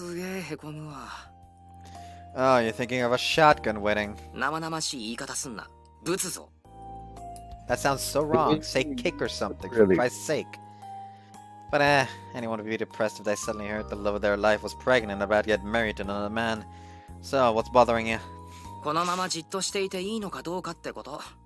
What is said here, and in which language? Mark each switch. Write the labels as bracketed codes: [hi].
[ja] ましてや、そのきっかけが。うわ。もう想像しただけでもすげえへこむわ。 [en] Oh, you're thinking of a shotgun wedding. [ja] 生々しい言い方すんな。撃つぞ。 [en] That sounds so wrong. Say kick or something, really? For Christ's sake. But anyone would be depressed if they suddenly heard the love of their life was pregnant and about to get married to another man. So, what's bothering you? [ja] このままじっとしていていいのかどうかってこと。